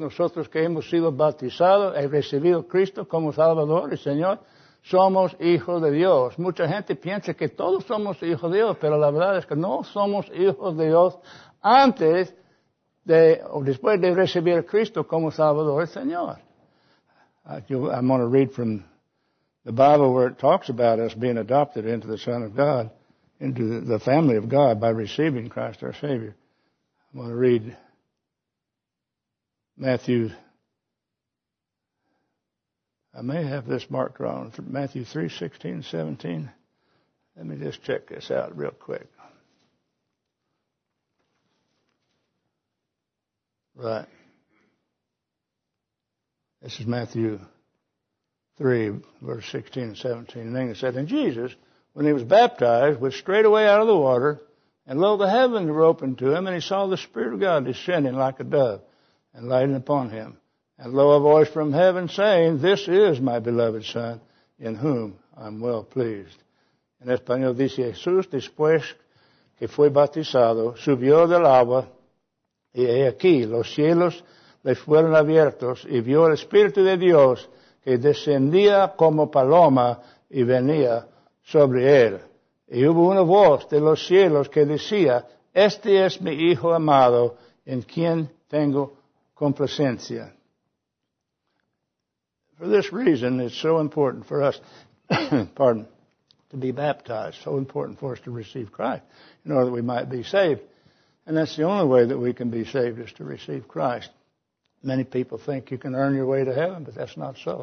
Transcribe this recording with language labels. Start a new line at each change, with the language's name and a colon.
Spanish: Nosotros que hemos sido bautizados y recibido Cristo como Salvador y Señor, somos hijos de Dios. Mucha gente piensa que todos somos hijos de Dios, pero la verdad es que no somos hijos de Dios antes de o después de recibir a Cristo como Salvador y Señor.
English: I'm going to read from the Bible where it talks about us being adopted into the Son of God, into the family of God by receiving Christ our Savior. I'm going to read Matthew I may have this marked wrong. Matthew 3:16-17. Let me just check this out real quick. Right. This is Matthew 3:16-17. Then he said, and Jesus, when he was baptized, went straightway out of the water, and lo, the heavens were opened to him, and he saw the Spirit of God descending like a dove and lighting upon him. And lo, a voice from heaven saying, this is my beloved Son, in whom I am well pleased.
Spanish: En español dice, Jesús, después que fue bautizado, subió del agua, y he aquí, los cielos le fueron abiertos, y vio el Espíritu de Dios, que descendía como paloma, y venía sobre él. Y hubo una voz de los cielos que decía, este es mi Hijo amado, en quien tengo complacencia.
English: For this reason, it's so important for us, to be baptized. So important for us to receive Christ in order that we might be saved. And that's the only way that we can be saved is to receive Christ. Many people think you can earn your way to heaven, but that's not so.